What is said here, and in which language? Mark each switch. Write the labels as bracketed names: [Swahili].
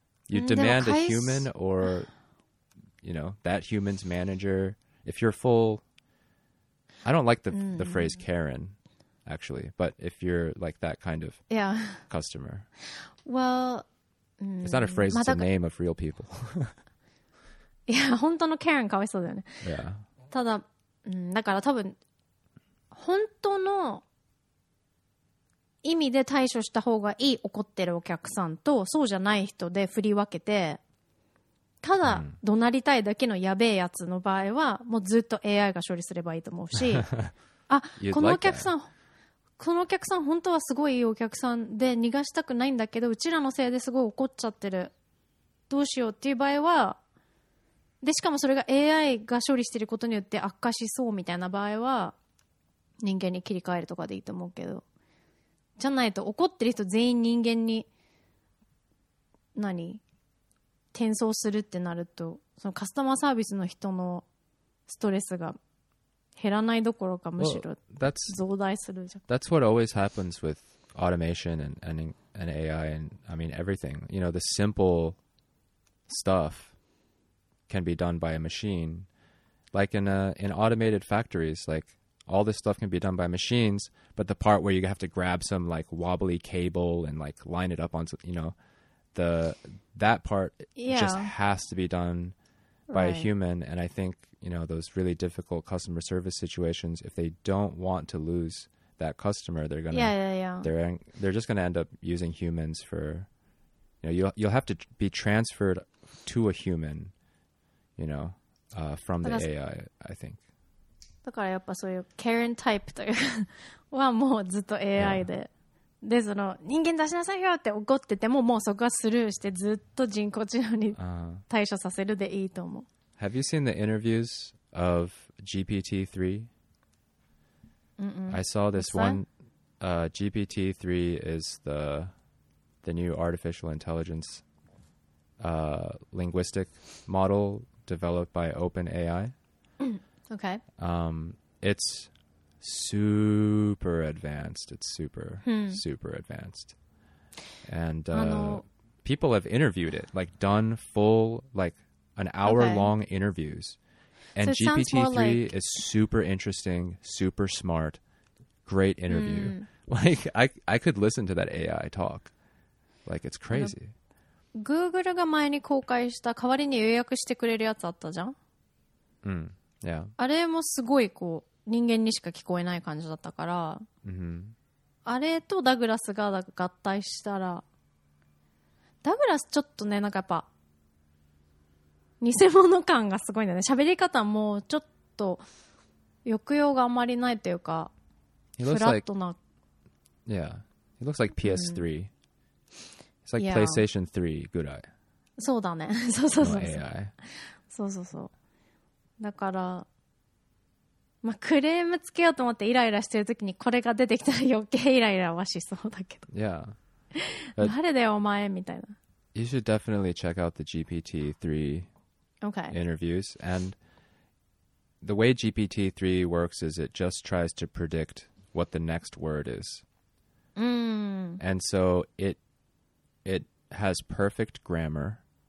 [English] You demand a human or... You know, that human's manager, if you're full, I don't like the phrase Karen, actually, but if you're like that kind of customer. Well, it's not a phrase, it's a name of real people. [Japanese] いや本当のケレンかわいそうだよね、 yeah. ただ、うん、だから多分本当の意味で対処した方がいい怒ってるお客さんとそうじゃない人で振り分けて、ただ怒鳴りたいだけのやべえやつの場合はもうずっと AI が処理すればいいと思うしあ、このお客さん、このお客さん本当はすごいいいお客さんで逃がしたくないんだけど、うちらのせいですごい怒っちゃってる、どうしようっていう場合は、でしかもそれが AI が処理してることによって悪化しそうみたいな場合は人間に切り替えるとかでいいと思うけど、じゃないと怒ってる人全員人間に何転送するってなると、そのカスタマーサービスの人のストレスが減らないどころかむしろ増大するじゃん。 [English] That's what always happens with automation and AI and I mean everything. You know, the simple stuff can be done by a machine. Like in automated factories, like all this stuff can be done by machines, but the part where you have to grab some like wobbly cable and like line it up on, you know, that part just has to be done by a human. And I think, you know, those really difficult customer service situations, if they don't want to lose that customer, they're going to, they're just going to end up using humans for, you know, you'll have to be transferred to a human, you know, from the AI, I think. だからやっぱそういう Karen タイプというはもうずっと AI で、でその人間出しなさいよって怒ってても、もうそこはスルーしてずっと人工知能に対処させるでいいと思う。 Have you seen the interviews of GPT-3? I saw this one. GPT-3 is the new artificial intelligence linguistic model developed by OpenAI. Okay. It's super advanced. It's super, super advanced. And people have interviewed it, like done full, like an hour long interviews. And so GPT-3 is super interesting, super smart, great interview. Like I could listen to that AI talk. Like it's crazy. [Japanese] Google が前に公開した代わりに予約してくれるやつあったじゃん。うん、yeah. あれもすごいこう人間にしか聞こえない感じだったから、あれとダグラスが合体したら、ダグラスちょっとね、なんかやっぱ偽物感がすごいんだね。喋り方もちょっと抑揚があまりないというか、フラットな。 [English] Yeah, it looks like PS3.、うん、It's like PlayStation 3 [Japanese] ぐらい。そうだね。そうそうそう。 AI。そうそうそう。だから、まあ、クレームつけようと思ってイライラしてるときにこれが出てきたら余計イライラはしそうだけど。 Yeah. 誰だよお前みたいな。 [English] You should definitely check out the GPT-3 interviews. And the way GPT-3 works is it just tries to predict what the next word is. And so it has perfect grammar.